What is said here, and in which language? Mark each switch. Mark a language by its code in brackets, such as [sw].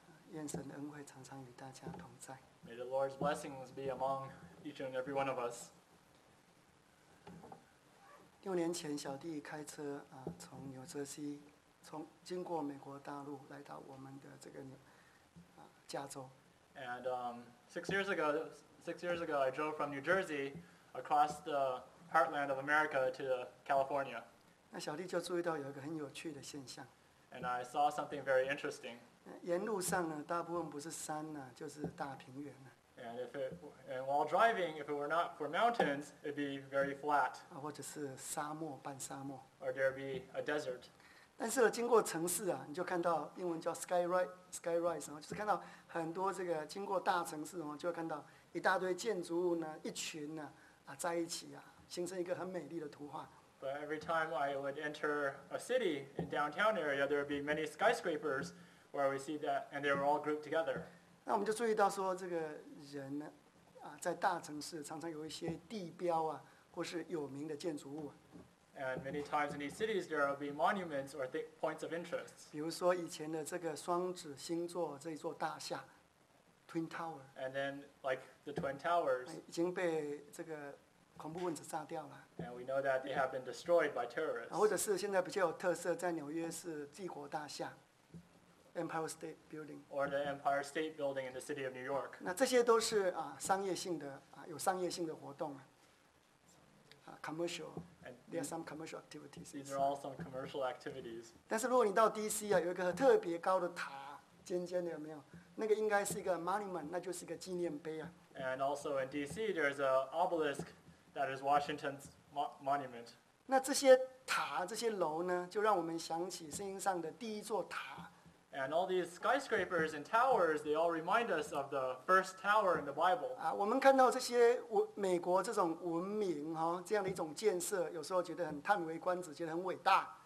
[zh] 愿神的恩惠常常与大家同在。 [en] May the Lord's blessings be among each and every one of us. [zh] 六年前，小弟开车从纽泽西，经过美国大陆，来到我们的这个加州。 [en] And six years ago, I drove from New Jersey across the heartland of America to California. [zh] 那小弟就注意到有一个很有趣的现象。 [en] And I saw something very interesting. [zh] 沿路上呢，大部分不是山呢，就是大平原呢。 [en] And while driving, if it were not for mountains, it'd be very flat. [zh] 或者是沙漠，半沙漠。 [en] Or there'd be a desert. [zh] 但是经过城市啊，你就看到英文叫 skyrise， 就是看到很多这个经过大城市哦，就看到一大堆建筑物呢，一群呢在一起啊，形成一个很美丽的图画。 [en] But every time I would enter a city in downtown area, there would be many skyscrapers where we see that, and they were all grouped together. [zh] 那我们就注意到说，这个人呢，在大城市常常有一些地标啊，或是有名的建筑物。 [en] And many times in these cities, there will be monuments or points of interest. [zh] 比如说以前的这个双子星座这一座大厦 ，Twin Tower. [en] And then, like the Twin Towers, [zh] 已经被这个。恐怖分子炸掉了。 [en] And we know that they have been destroyed by terrorists. [zh] 或者是现在比较有特色，在纽约是帝国大厦 ，Empire State Building. [en] Or the Empire State Building in the city of New York. [zh] 那这些都是商业性的有商业性的活动啊。 [en] Commercial. There are some commercial activities. These are all some commercial activities. [zh] 但是如果你到 DC 啊，有一个特别高的塔，尖尖的有没有？那个应该是一个 monument， 那就是一个纪念碑啊。 [en] And also in DC, there's an obelisk. That is Washington's monument. [zh] 那这些塔，这些楼呢，就让我们想起圣经上的第一座塔。 [en] And all these skyscrapers and towers, they all remind us of the first tower in the Bible. [zh] 我们看到这些美国这种文明哈，这样的一种建设，有时候觉得很叹为观止，觉得很伟大。